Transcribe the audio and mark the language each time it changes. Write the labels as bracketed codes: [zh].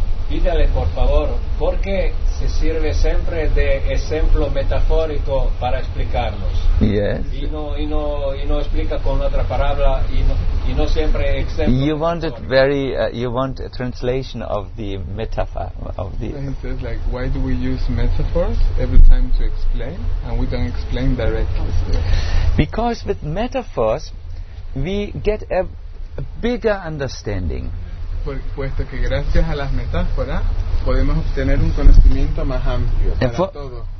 [es] Dígale, por favor, ¿por qué se sirve siempre de ejemplo metafórico para explicarnos? [en] Yes. [es] Y no explica con otra palabra y no siempre ejemplo. [en] You want it very you want a translation of the metaphor of the. He says, like, why do we use metaphors every time to explain and we don't explain directly? Because with metaphors we get a bigger understanding. [es] Puesto que gracias a las metáforas podemos obtener un conocimiento más amplio para todo.